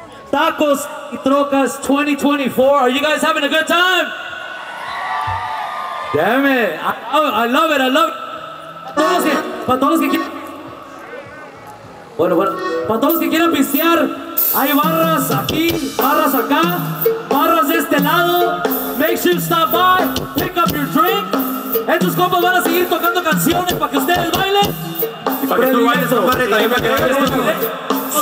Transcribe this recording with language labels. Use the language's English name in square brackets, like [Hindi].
[English] Trokas y Trokas 2024. Are you guys having a good time? Damn it. I love it. [Spanish] Para todos los que quieran pistear, hay barras aquí, barras acá, barras de este lado. [English] Make sure you stop by, pick up your drink. [Spanish] Estos compas van a seguir tocando canciones para que ustedes bailen. Para que tú bailes, compadre, también para que bailes tú.